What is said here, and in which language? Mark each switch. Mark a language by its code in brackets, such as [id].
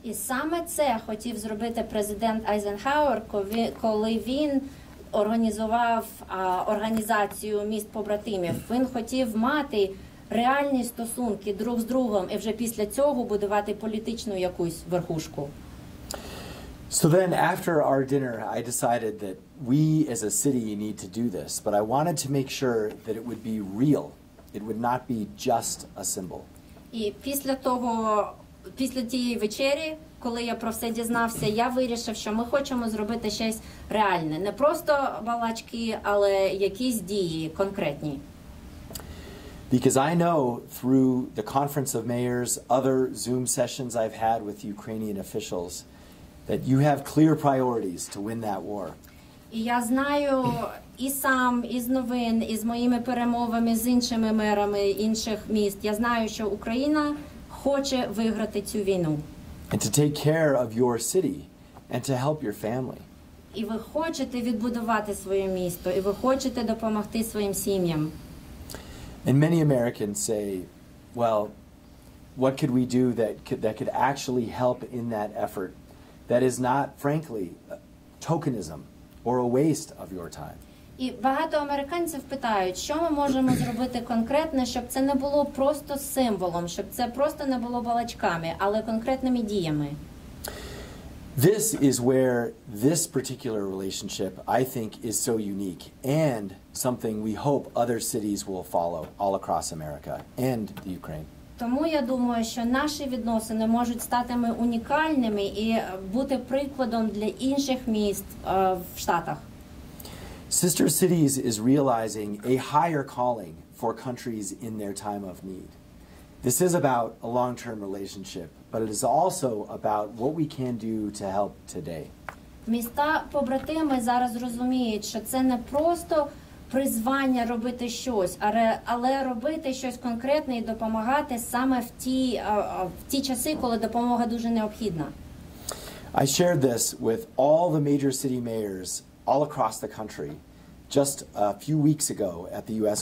[uk] І саме це хотів зробити президент Айзенхауер, коли він організував організацію міст-побратимів. Він хотів мати реальні стосунки друг з другом і вже після цього будувати політичну якусь верхушку. [en] So then after our dinner, I decided that we as a city need to do this, but I wanted to make sure that it would be real. It would not be just a symbol. [uk] І після того Після тієї вечері, коли я про все дізнався, я вирішив, що ми хочемо зробити щось реальне. Не просто балачки, але якісь дії конкретні. [en] Because I know through the conference of mayors, other Zoom sessions I've had with Ukrainian officials, that you have clear priorities to win that war. [uk] І я знаю і сам, і з новин, і з моїми перемовами з іншими мерами інших міст, я знаю, що Україна хоче виграти цю війну. [en] And to take care of your city and to help your family. [uk] І ви хочете відбудувати своє місто, і ви хочете допомогти своїм сім'ям. [en] And many Americans say, well, what could we do that could actually help in that effort that is not frankly tokenism or a waste of your time. [uk] І багато американців питають, що ми можемо зробити конкретне, щоб це не було просто символом, щоб це просто не було балачками, але конкретними діями. [en] This is where this particular relationship, I think, is so unique and something we hope other cities will follow all across America and the Ukraine. [uk] Тому я думаю, що наші відносини можуть стати унікальними і бути прикладом для інших міст в Штатах. [en] Sister Cities is realizing a higher calling for countries in their time of need. This is about a long-term relationship, but it is also about what we can do to help today. [uk] Міста-побратими зараз розуміють, що це не просто призвання робити щось, але робити щось конкретне і допомагати саме в ті часи, коли допомога дуже необхідна. [en] I shared this with all the major city mayors all across the country just a few weeks ago at the U.S.